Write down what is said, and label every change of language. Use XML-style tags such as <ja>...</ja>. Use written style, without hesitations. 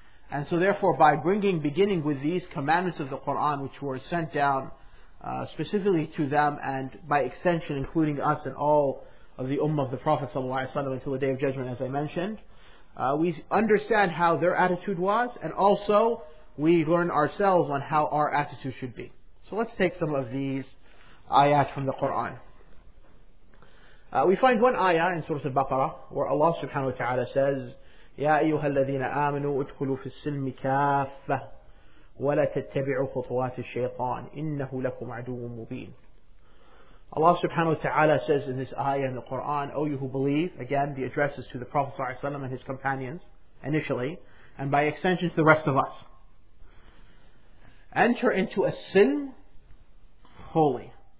<en>And so therefore, by beginning with these commandments of the Quran, which were sent down specifically to them, and by extension including us and all of the Ummah of the Prophet ﷺ until the Day of Judgment, as I mentioned, we understand how their attitude was, and also we learn ourselves on how our attitude should be. So let's take some of these ayat from the Quran. We find one ayah in Surah Al-Baqarah where Allah subhanahu wa ta'ala says,</en> <ar>يَا أَيُّهَا الَّذِينَ آمَنُوا اُدْخُلُوا فِي السِّلْمِ كَافَّةً وَلَا تَتَّبِعُوا خُطُوَاتِ الشَّيْطَانِ إِنَّهُ لَكُمْ عَدُوٌّ مُبِينٌ.</ar> <en>Allah subhanahu wa ta'ala says in this ayah in the Quran, O you who believe, again the address is to the Prophet sallallahu alayhi wa and his companions initially, and by extension to the rest of us. Enter into a sin, holy.</en>